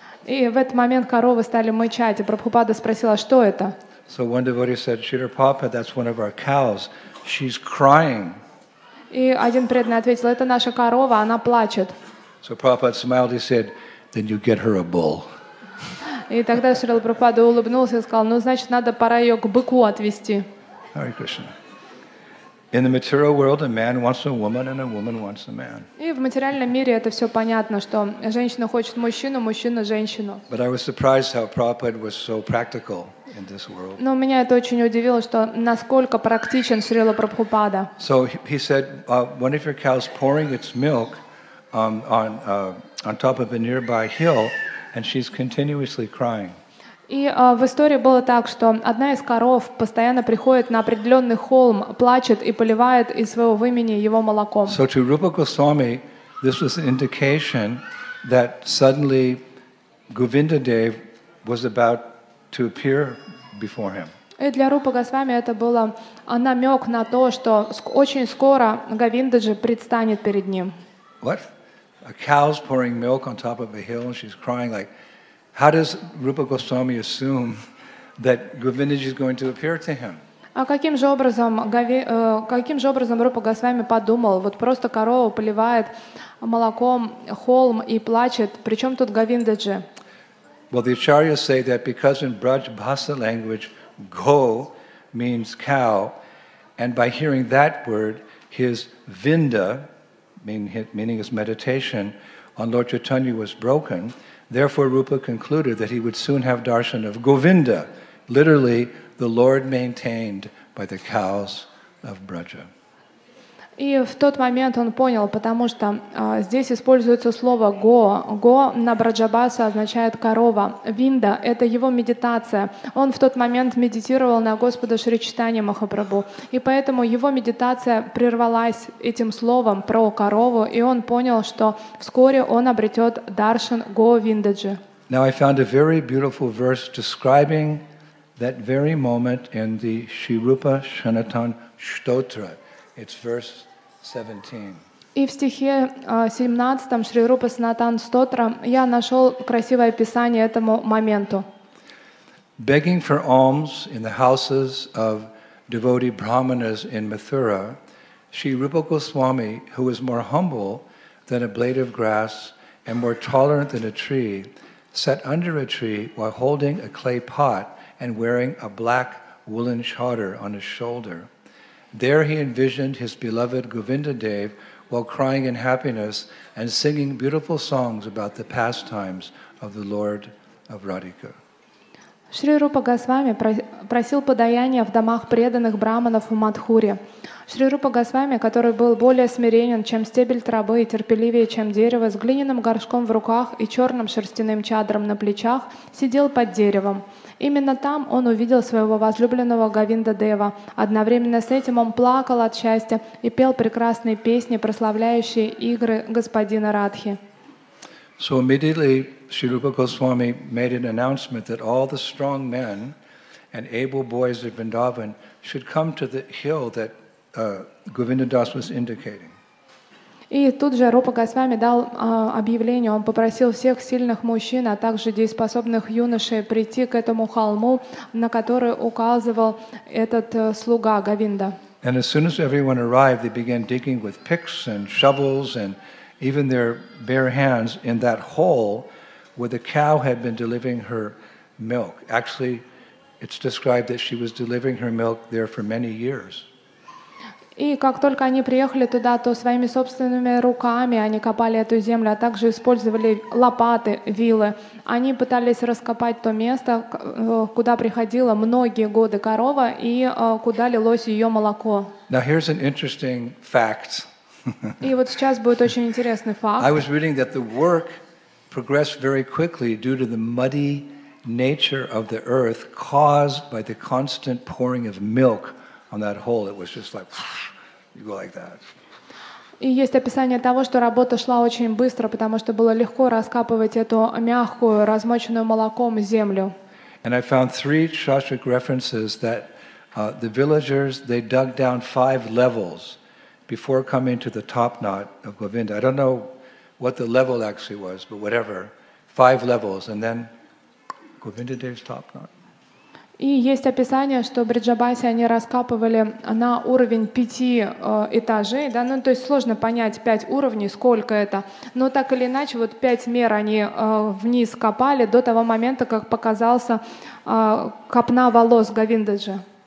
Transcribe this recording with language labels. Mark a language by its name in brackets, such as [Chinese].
[Russian] И в этот момент коровы стали мычать, и Прабхупада спросила, что это? [English] So one devotee said, "Shrila Prabhupada, that's one of our cows. She's crying." [Russian] И один преданный ответил, это наша корова, она плачет. [English] So Prabhupada smiled, he said, then you get her a bull. [Russian] И тогда Шрила Прабхупада улыбнулся и сказал, ну, значит, надо пора ее к быку отвести. [English] Hare Krishna. In the material world, a man wants a woman, and a woman wants a man. [Russian] И в материальном мире это все понятно, что женщина хочет мужчину, мужчина – женщину. [English] But I was surprised how Prabhupada was so practical in this world. [Russian] Но меня это очень удивило, что насколько практичен Шрила Прабхупада. [English] So he said, one of your cows pouring its milk on top of a nearby hill, and she's continuously crying. [Russian] И в истории было так, что одна из коров постоянно приходит на определенный холм, плачет и поливает из своего вымени его молоком. [English] So to Rupa Goswami, this was an indication that suddenly Govinda Dev was about to appear before him. [Russian] И для Рупа Госвами это было намек на то, что очень скоро Говинда же предстанет перед ним. [English] What? A cow's pouring milk on top of a hill and she's crying like, how does Rupa Goswami assume that Govindaji is going to appear to him? [Russian] А каким же образом Рупа Госвами подумал, вот просто корова поливает молоком холм и плачет, причем тут Говиндаджи? [English] Well, the acharyas say that because in Braj Bhasa language, go means cow, and by hearing that word, his vinda, meaning his meditation, on Lord Chaitanya was broken. Therefore, Rupa concluded that he would soon have darshan of Govinda, literally, the Lord maintained by the cows of Braja. [Russian] И в тот момент он понял, потому что здесь используется слово «го». «Го» на Браджабаса означает «корова». «Винда» — это его медитация. Он в тот момент медитировал на Господа Шри Чайтанья Махапрабху. И поэтому его медитация прервалась этим словом про корову, и он понял, что вскоре он обретет даршан «го Виндаджи». [English] Now I found a very beautiful verse describing that very moment in the Shri Rupa Sanatan Stotra. It's verse 17. [Russian] И в стихе 17 Шри Рупа Санатан Стотра я нашел красивое описание этому моменту. [English] Begging for alms in the houses of devotee brahmanas in Mathura, Shri Rupa Goswami, who was more humble than a blade of grass and more tolerant than a tree, sat under a tree while holding a clay pot and wearing a black woolen chador on his shoulder. There he envisioned his beloved Govinda Dev while crying in happiness and singing beautiful songs about the pastimes of the Lord of Radhika. [Russian] Шри Рупа Госвами просил подаяния в домах преданных браманов в Матхуре. Шри Рупа Госвами, который был более смиренен, чем стебель травы и терпеливее, чем дерево, с глиняным горшком в руках и черным шерстяным чадром на плечах, сидел под деревом. Именно там он увидел своего возлюбленного Говинда Дева. Одновременно с этим он плакал от счастья и пел прекрасные песни, прославляющие игры господина Радхи. [English] So immediately Shri Rupa Goswami made an announcement that all the strong men and able boys of Vrindavan should come to the hill that Govinda Das was indicating. [Russian] И тут же Рупа Госвами дал объявление, он попросил всех сильных мужчин, а также дееспособных юношей прийти к этому холму, на который указывал этот слуга Говинда. [English] And as soon as everyone arrived, they began digging with picks and shovels and even their bare hands in that hole where the cow had been delivering her milk. Actually, it's described that she was delivering her milk there for many years. [Russian] И как только они приехали туда, то своими собственными руками они копали эту землю, а также использовали лопаты, вилы. Они пытались раскопать то место, куда приходила многие годы корова и куда лилось ее молоко. [English] Now here's an interesting fact. [Russian] И вот сейчас будет очень интересный факт. [English] I was reading that the work progressed very quickly due to the muddy nature of the earth caused by the constant pouring of milk. On that hole, it was just like you go like that. [Russian] И есть описание того, что работа шла очень быстро, потому что было легко раскапывать эту мягкую, размоченную молоком землю. [English] And I found three Shastric references that the villagers they dug down five levels before coming to the top knot of Govinda. I don't know what the level actually was, but whatever, five levels, and then Govinda Dev's top knot. [Russian] И есть описание, что Бриджабаси они раскапывали на уровень пяти этажей, да, ну то есть сложно понять пять уровней, сколько это, но так или иначе вот пять мер они вниз копали до того момента, как показался копна волос Говиндаджи.